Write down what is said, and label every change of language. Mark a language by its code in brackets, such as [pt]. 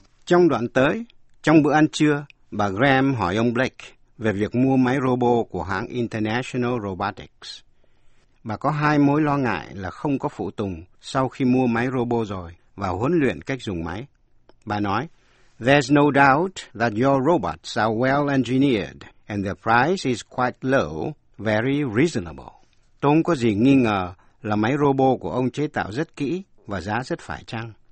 [vi] Trong đoạn tới, trong bữa ăn trưa, bà Graham hỏi ông Blake về việc mua máy robot của hãng International Robotics. Bà có hai mối lo ngại là không có phụ tùng sau khi mua máy robot rồi và huấn luyện cách dùng máy. Bà nói, [en] There's no doubt that your robots are well engineered and the price is quite low, very reasonable. [vi] Tôi không có gì nghi ngờ là máy robot của ông chế tạo rất kỹ và giá rất phải chăng.